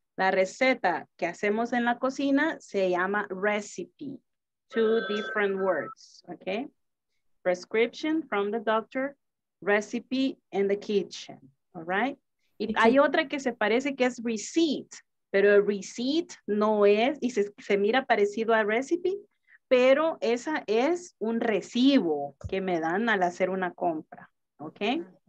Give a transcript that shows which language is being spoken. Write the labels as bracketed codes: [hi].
[es] La receta que hacemos en la cocina se llama recipe. [en] Two different words, okay? Prescription from the doctor, recipe in the kitchen, all right? [es] Y hay otra que se parece que es receipt, pero receipt no es, y se mira parecido a recipe, pero esa es un recibo que me dan al hacer una compra, okay?